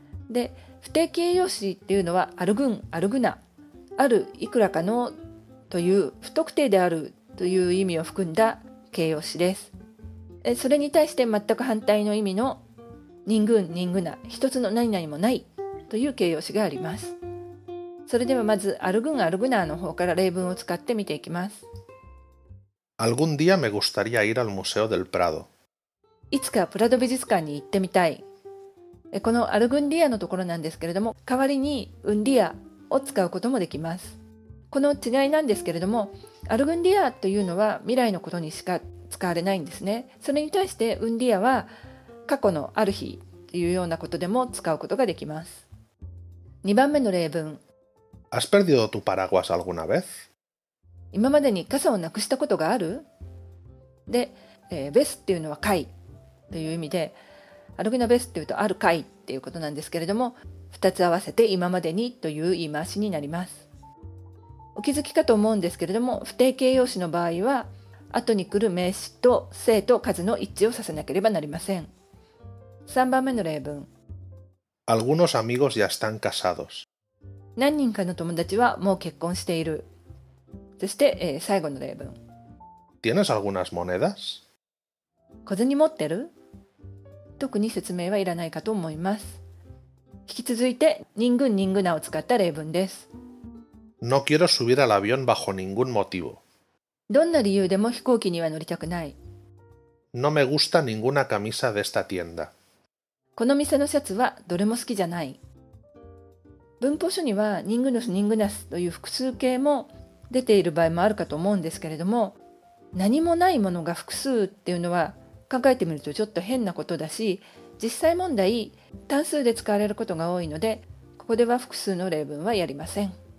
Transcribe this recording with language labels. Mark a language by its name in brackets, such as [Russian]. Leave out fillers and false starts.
[Japanese] で、不定形容詞っていうのはアルグン、アルグナ、あるいくらかのという不特定であるという意味を含んだ形容詞です。それに対して全く反対の意味のニングン、ニングナ、一つの何々もないという形容詞があります。それではまずアルグン、アルグナの方から例文を使って見ていきます。 [Spanish] Algún día me gustaría ir al Museo del Prado. [Japanese] いつかプラド美術館に行ってみたい。このアルグンディアのところなんですけれども、代わりにウンディアを使うこともできます。この違いなんですけれども、アルグンディアというのは未来のことにしか使われないんですね。それに対してウンディアは過去のある日というようなことでも使うことができます。 2番目の例文。 [Spanish] ¿Has perdido tu paraguas alguna vez? [Japanese] 今までに傘をなくしたことがある。で、ベスっていうのは貝という意味で、アルグナベスっていうとある貝っていうことなんですけれども、2つ合わせて今までにという言い回しになります。お気づきかと思うんですけれども、不定形容詞の場合は後に来る名詞と性と数の一致をさせなければなりません。 3番目の例文。 [Spanish] Algunos amigos ya están casados. [Japanese] 何人かの友達はもう結婚している。そして、最後の例文。 [Spanish] ¿Tienes algunas monedas? [Japanese] 小銭持ってる？特に説明はいらないかと思います。引き続いて、ニングン、ニングナを使った例文です。 [Spanish] No quiero subir al avión bajo ningún motivo. [Japanese] どんな理由でも飛行機には乗りたくない。 [Spanish] No me gusta ninguna camisa de esta tienda. [Japanese] この店のシャツはどれも好きじゃない。文法書には、ニングノス、ニングナスという複数形も出ている場合もあるかと思うんですけれども、何もないものが複数っていうのは考えてみるとちょっと変なことだし、実際問題単数で使われることが多いので、ここでは複数の例文はやりません。